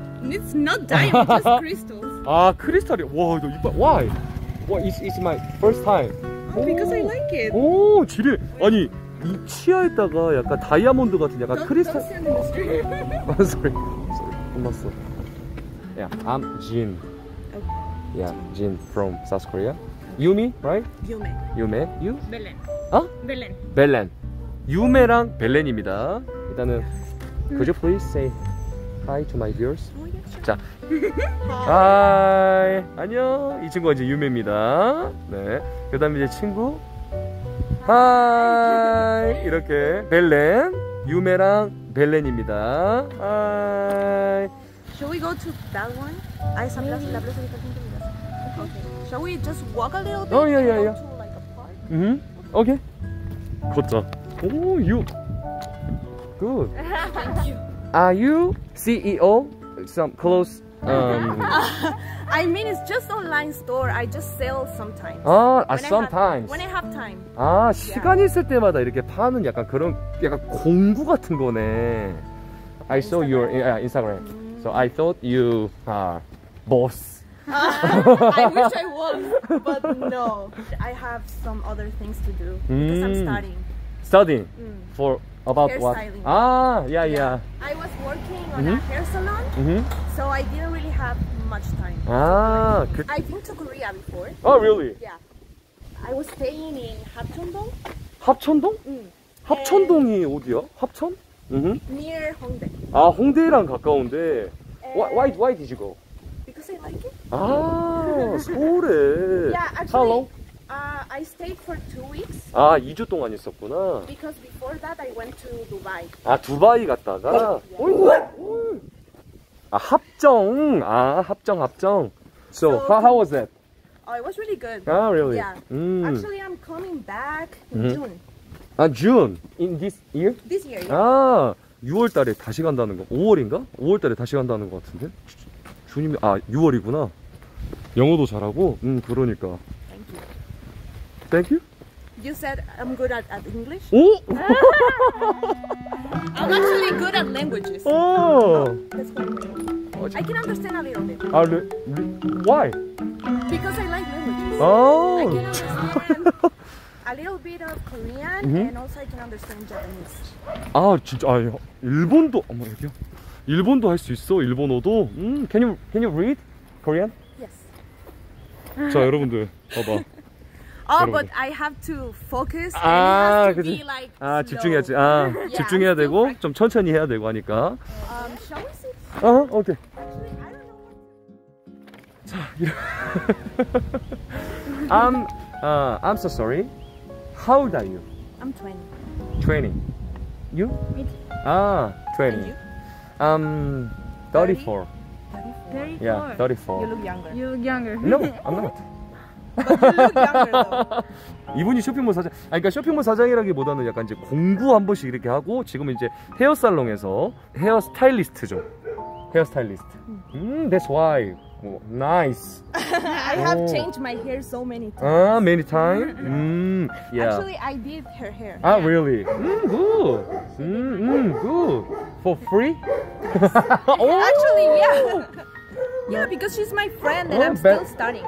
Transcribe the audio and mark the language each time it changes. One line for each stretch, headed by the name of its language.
English: It's not diamond, just crystals.
Korean: 아, 크리스탈이. 와, 너 이뻐.
English: Why? What? It's my first time. Oh, because I like it.
Korean: 오, 지리. 아니, 이 치아에다가 약간 다이아몬드 같은 약간 크리스탈.
English: Don't stand in the street. sorry.
Korean: 혼났어.
English: Yeah, I'm Jin. Yeah, Jin from South Korea. Yumi, right? Yume. You? Belen.
Korean: 아?
English: Belen. Belen.
Korean: Yume랑 Belen입니다.
English: 일단은 Could you please say hi to my viewers? Oh, yeah, sure.
Korean: 자. Hi. 안녕. 이 친구가 이제 Yume입니다. 네. 그다음에 이제 친구 Hi. 이렇게 Belen, Yume랑 Belen입니다.
English: Hi. Shall we go to that one? I suppose
Spanish: la plaza de la
English: Okay. Shall we just walk a little bit? Oh, yeah, yeah, go yeah. To, like, a park? Mm-hmm. Okay. 걷자. Oh, you. Good. Thank you. Are you CEO? Some clothes? I mean, it's just online store. I just sell sometimes. Ah, sometimes. When I have time.
Korean: Ah, 시간 있을 때마다 이렇게 파는 약간 그런 약간 공구 같은 거네.
English: I saw your Instagram. Mm-hmm. So I thought you are boss. I wish I was, but no. I have some other things to do because I'm studying. Studying? For about hair what? Styling. Ah, yeah, yeah, yeah. I was working on a hair salon, so I didn't really have much time. I came to Korea before. Oh, really? Yeah. I was staying in Hapcheon-dong. Hapcheon-dong?
Korean: Hapcheon-dong이 어디야?
English: Hapcheon? Near Hongdae.
Korean: Ah, Hongdae랑 가까운데.
English: Why did you go? Because I like it.
Korean: Ah, 서울에.
English: Yeah, actually, how long? I stayed for 2 weeks.
Korean: 아, 2주 동안 있었구나.
English: Because before that, I went to Dubai.
Korean: 아, 두바이 갔다가. 오이구. Yeah. 아, 합정. 아, 합정, 합정.
English: So, how was it? Oh, it was really good. Ah, really? Yeah. Actually, I'm coming back in June. 아, June? In this year? This year, yeah.
Korean: 아, 6월 달에 다시 간다는 거. 5월인가? 5월 달에 다시 간다는 거 같은데? 주님이 아 6월이구나. 영어도 잘하고 그러니까.
English: Thank you. Thank you. You said I'm good at English.
Korean: 오.
English: I'll I'm actually good at languages. Oh. No, that's quite good. I can understand a little bit. Why? Because I like languages. Oh. I can understand a little bit of Korean mm-hmm. and also I can understand Japanese.
Korean: 아 진짜 아 일본도 어머 여기요. 일본도 할 수 있어. 일본어도.
English: Can you read Korean? Yes.
Korean: 자, 여러분들 봐 봐. Oh, 여러분들. But I have to focus and 아, it has to 그치.
English: Be like
Korean: 아, 집중해야지. 아, yeah, 집중해야 되고 practice. 좀 천천히 해야 되고 하니까.
English: Shall we see?
Korean: 아, 오케이.
English: Actually, I don't know. 자, I'm so sorry. How old are you? I'm 20. 20. You? Me too. 아, 20. And you? I'm 34. 34? Yeah, 34. You look younger. You look younger. No, I'm not. But you look younger.
Korean: 이분이 쇼핑몰 사장. 아, 그러니까 쇼핑몰 사장이라기보다는 약간 이제 공구 한 번씩 이렇게 하고 지금 이제 헤어 살롱에서 헤어 스타일리스트죠.
English: 헤어 스타일리스트. That's why. Nice. I have changed my hair so many times. Ah, many times. Yeah. Actually, I did her hair. Ah, yeah. Really? Good. Good. For free? Yes. Oh. Actually, yeah. Yeah, because she's my friend and I'm still studying.